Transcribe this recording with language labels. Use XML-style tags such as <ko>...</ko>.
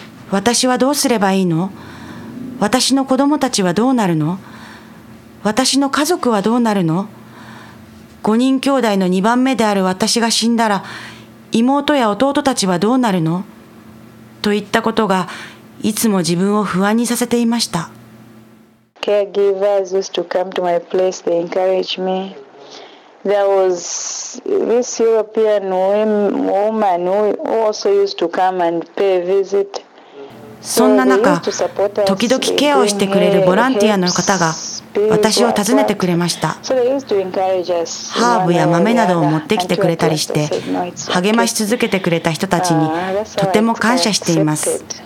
<ja>私はどうすればいいの、私の子供たちはどうなるの、私の家族はどうなるの、5人兄弟の2番目である私が死んだら妹や弟たちはどうなるの、といったことがいつも自分を不安にさせていました。</ja> <en>Caregivers used to come to my place, they encouraged me. There was this European woman who also used to come and pay a visit.</en> <ja>そんな中、時々ケアをしてくれるボランティアの方が私を訪ねてくれました。ハーブや豆などを持ってきてくれたりして、励まし続けてくれた人たちにとても感謝しています。</ja>